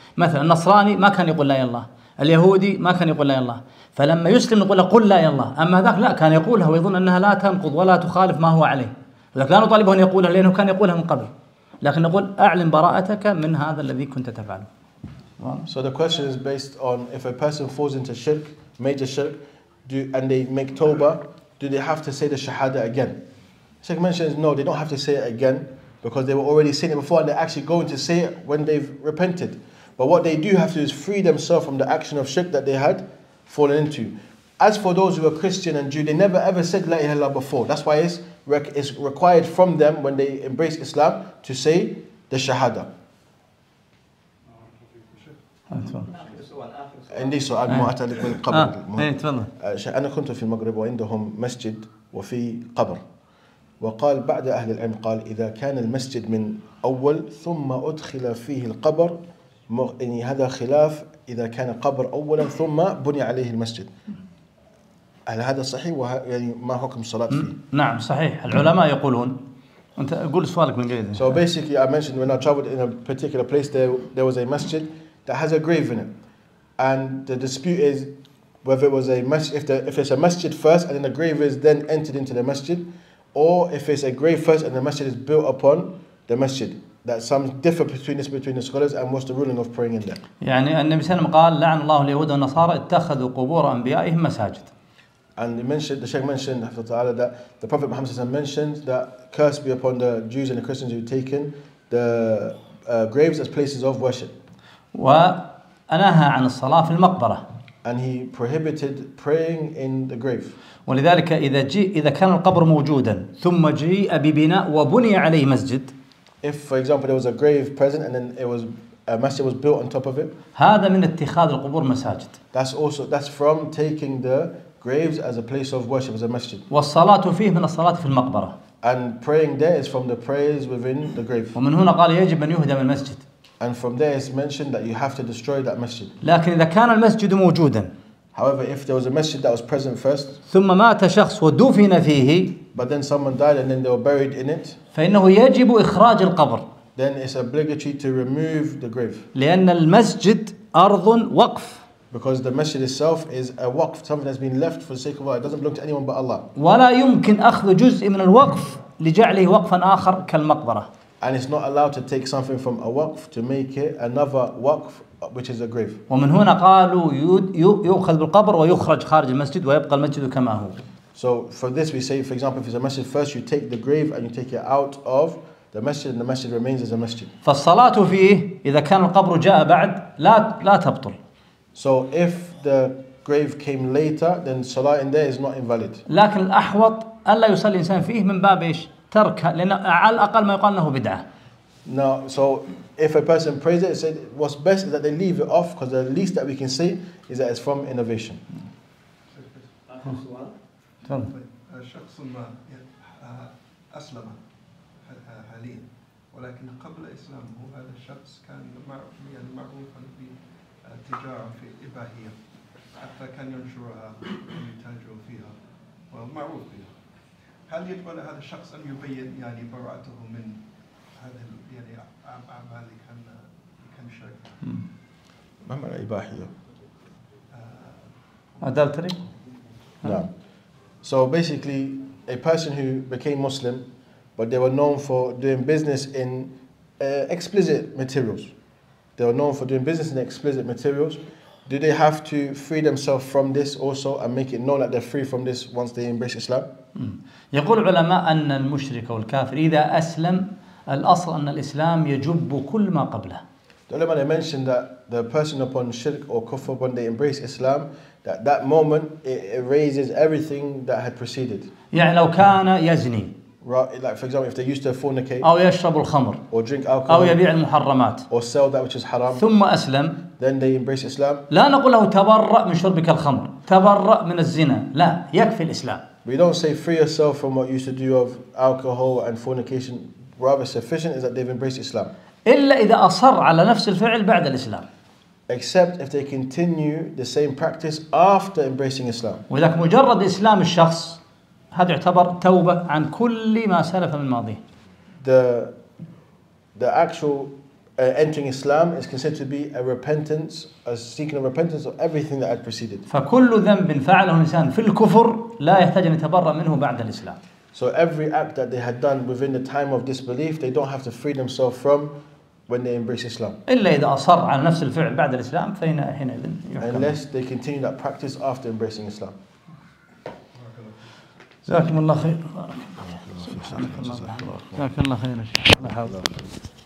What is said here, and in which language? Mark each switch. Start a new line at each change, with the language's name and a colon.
Arabic: مثلا النصراني ما كان يقول لا إله إلا الله، اليهودي ما كان يقول لا إله إلا الله، فلما يسلم نقول قل لا إله إلا الله. أما ذاك لا، كان يقولها ويظن أنها لا تنقض ولا تخالف ما هو عليه، لكن لا نطالبه أن يقولها لأنه كان يقولها من قبل، لكن نقول أعلن براءتك من هذا الذي كنت تفعله.
English: So the question is based on if a person falls into shirk, major shirk, and they make tawbah, do they have to say the shahada again? Sheikh mentions no, they don't have to say it again because they were already saying it before and they're actually going to say it when they've repented. But what they do have to do is free themselves from the action of shirk that they had fallen into. As for those who are Christian and Jew, they never ever said
Arabic: la ilaha illallah
English: before. That's why it's required from them when they embrace Islam to say the shahada.
Arabic: عندي سؤال معتل من قبل. أنا كنت في المغرب وعندهم مسجد وفي قبر. وقال بعد أهل العلم قال إذا كان المسجد من أول ثم أدخل فيه القبر، يعني هذا خلاف إذا كان قبر أولا ثم بني عليه المسجد. هل هذا صحيح؟ يعني ما حكم الصلاة فيه؟ نعم صحيح. العلماء يقولون. أنت قول سؤالك من قبل.
English: So basically I mentioned when I traveled in a particular place there was a masjid that has a grave in it, and the dispute is whether it was a masjid, if it's a masjid first and then the grave is then entered into the masjid, or if it's a grave first and the masjid is built upon the masjid. That some differ between this between the scholars and what's the ruling of praying in there.
Arabic: يعني النبي صلى الله عليه وسلم قال لعن الله اليهود والنصارى اتخذوا قبور أنبيائهم مساجد.
English: And the Sheikh mentioned after Ta'ala that the Prophet Muhammad
Arabic: صلى الله عليه وسلم
English: mentioned that curse be upon the Jews and the Christians who have taken the graves as places of worship.
Arabic: وأنهى عن الصلاة في المقبرة.
English: And he prohibited praying in the grave.
Arabic: ولذلك إذا كان القبر موجودا ثم جاء ببناء وبني عليه مسجد.
English: If for example there was a grave present and then it was a masjid was built on top of it.
Arabic: هذا من اتخاذ القبور مساجد.
English: That's from taking the graves as a place of worship, as a masjid.
Arabic: والصلاة فيه من الصلاة في المقبرة.
English: And praying there is from the prayers within the grave.
Arabic: ومن هنا قال يجب أن يهدم المسجد.
English: And from there it's mentioned that you have to destroy that masjid.
Arabic: لكن إذا كان المسجد موجودا.
English: However, if there was a masjid that was present first.
Arabic: ثم مات شخص ودفن فيه.
English: But then someone died and then they were buried in it.
Arabic: فإنه يجب إخراج القبر.
English: Then it's obligatory to remove the grave.
Arabic: لأن المسجد أرض وقف.
English: Because the masjid itself is a waqf, something that's been left for the sake of Allah. It doesn't belong to anyone but Allah.
Arabic: ولا يمكن أخذ جزء من الوقف لجعله وقفا آخر كالمقبرة.
English: And it's not allowed to take something from a waqf to make it another waqf, which is a grave.
Arabic: ومن هنا قالوا يؤخذ بالقبر ويخرج خارج المسجد ويبقى المسجد كما هو.
English: So for this we say, for example, if it's a masjid, first you take the grave and you take it out of the masjid, and the masjid remains as a masjid.
Arabic: فالصلاة فيه إذا كان القبر جاء بعد لا تبطل.
English: So if the grave came later, then salah in there is not invalid.
Arabic: لكن الأحوط ألا يصلي الإنسان فيه من باب إيش؟ تركها، لأن على الأقل ما يقال له بدعة.
English: Now, so if a person prays it, said what's best is that they leave it off, because the least that we can say is that it's from innovation.
Arabic: شخص ما أسلم حاليا، ولكن قبل إسلامه هذا الشخص كان معروفا بالتجارة في إباحية، حتى كان ينشرها ويتاجر فيها ومعروف فيها. هل يجب على هذا الشخص أن يبين يعني براءته من هذا يعني أعمال اللي كان شرك؟ ما معنى إباحية؟
English: Idolatry?
Arabic: نعم.
English: So basically, a person who became Muslim, but they were known for doing business in explicit materials. They were known for doing business in explicit materials. Do they have to free themselves from this also and make it known that they're free from this once they embrace Islam?
Arabic: يقول العلماء أن المشرك والكافر إذا أسلم الأصل أن الإسلام يجب كل ما قبله.
English: The ulama mentioned that the person upon shirk or kufr when they embrace Islam, that moment it erases everything that had preceded.
Arabic: يعني لو كان يزني.
English: Like, for example, if they used to fornicate.
Arabic: أو يشرب الخمر.
English: Or drink alcohol.
Arabic: أو يبيع المحرمات.
English: Or sell that which is haram.
Arabic: ثم أسلم.
English: Then they embrace Islam.
Arabic: لا نقول له تبرأ من شربك الخمر. تبرأ من الزنا. لا يكفي الإسلام.
English: We don't say free yourself from what you used to do of alcohol and fornication. Rather, sufficient is that they've embraced Islam.
Arabic: إلا إذا أصر على نفس الفعل بعد الإسلام.
English: Except if they continue the same practice after embracing Islam.
Arabic: وذاك مجرد إسلام الشخص. هذا يعتبر توبة عن كل ما سلف من الماضي.
English: The actual entering Islam is considered to be a repentance, a seeking of repentance of everything that had preceded.
Arabic: فكل ذنب فعله الإنسان في الكفر لا يحتاج أن يتبرأ منه بعد الإسلام.
English: So every act that they had done within the time of disbelief, they don't have to free themselves from when they embrace Islam.
Arabic: إلا إذا أصر على نفس الفعل بعد الإسلام فإن حينئذ يحكم.
English: Unless they continue that practice after embracing Islam.
Arabic: جزاكم الله خير. جزاكم الله خير. جزاكم الله خير.